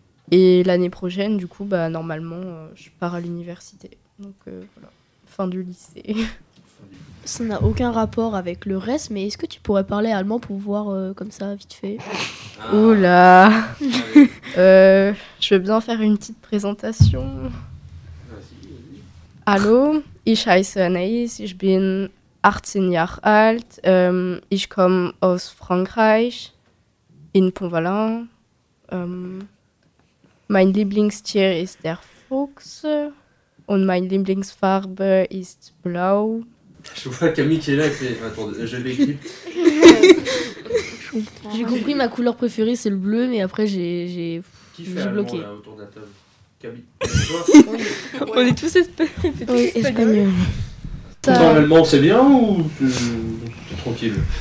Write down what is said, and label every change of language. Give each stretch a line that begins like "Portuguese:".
French: Et l'année prochaine, du coup, bah, normalement, je pars à l'université. Donc voilà, fin du lycée. Ça n'a aucun rapport avec le reste, mais est-ce que tu pourrais parler allemand pour voir comme ça, vite fait? Oula. Je veux bien faire une petite présentation.
German: Allô, ich heiße Anaïs, ich bin 18 Jahre alt, ich komme aus Frankreich, in Pont-Vallin. Mein Lieblingstier ist der Fuchs und meine Lieblingsfarbe ist blau.
French: Je vois Camille qui est là, qui fait, attends, je l'équipe. J'ai compris, ma couleur préférée c'est le bleu, mais après j'ai bloqué. Qui fait autour de la table? Camille, toi? On est tous espagnols. Ça... Non, l'allemand c'est bien ou t'es tranquille?